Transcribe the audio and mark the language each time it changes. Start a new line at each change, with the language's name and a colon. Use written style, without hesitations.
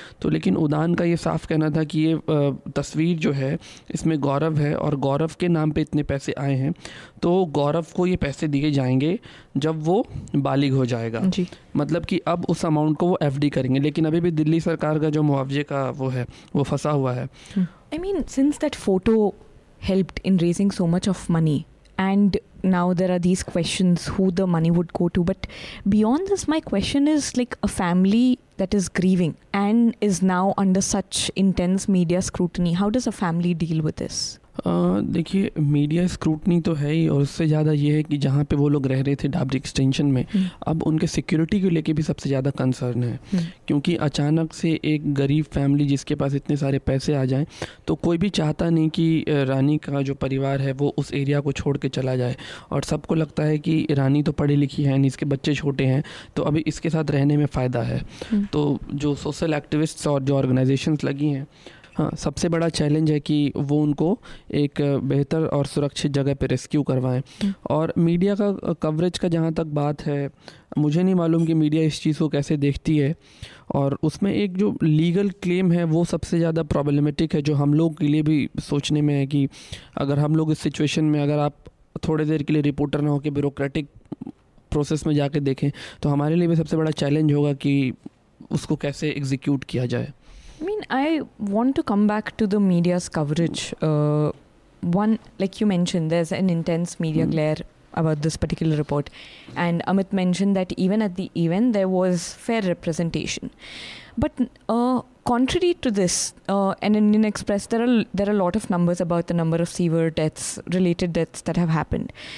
Hindi: तो लेकिन उदान का ये साफ कहना था कि ये तस्वीर जो है इसमें गौरव है और गौरव के नाम पे इतने पैसे आए हैं तो गौरव को ये पैसे दिए जाएंगे जब वो बालिग हो जाएगा. मतलब कि अब उस अमाउंट को वो FD करेंगे. लेकिन अभी भी दिल्ली सरकार का जो मुआवजे का वो है वो फंसा हुआ है.
English: I mean since that photo helped in raising so much of money and now there are these questions who the money would go to, but beyond this my question is like a family that is grieving and is now under such intense media scrutiny, how does a family deal with this?
Hindi: देखिए media scrutiny तो है ही और उससे ज़्यादा ये है कि जहाँ पे वो लोग रह रहे थे डाबरी एक्सटेंशन में अब उनके सिक्योरिटी को लेके भी सबसे ज़्यादा कंसर्न है. क्योंकि अचानक से एक गरीब फैमिली जिसके पास इतने सारे पैसे आ जाएं तो कोई भी चाहता नहीं कि रानी का जो परिवार है वो उस एरिया को छोड़ के चला जाए. और सबको लगता है कि रानी तो पढ़ी लिखी है नहीं, इसके बच्चे छोटे हैं तो अभी इसके साथ रहने में फ़ायदा है. तो जो सोशल एक्टिविस्ट्स और जो ऑर्गेनाइजेशंस लगी हैं, हाँ, सबसे बड़ा चैलेंज है कि वो उनको एक बेहतर और सुरक्षित जगह पर रेस्क्यू करवाएं. और मीडिया का कवरेज का जहाँ तक बात है, मुझे नहीं मालूम कि मीडिया इस चीज़ को कैसे देखती है. और उसमें एक जो लीगल क्लेम है वो सबसे ज़्यादा प्रॉब्लमेटिक है, जो हम लोग के लिए भी सोचने में है कि अगर हम लोग इस सिचुएशन में, अगर आप थोड़े देर के लिए रिपोर्टर ना होकर ब्यूरोक्रेटिक प्रोसेस में जाके देखें तो हमारे लिए भी सबसे बड़ा चैलेंज होगा कि उसको कैसे एग्जीक्यूट किया जाए.
English: I mean, I want to come back to the media's coverage. One, like you mentioned, there's an intense media glare about this particular report. And Amit mentioned that even at the event, there was fair representation. But contrary to this, in Indian Express, there are a lot of numbers about the number of severe deaths, related deaths that have happened.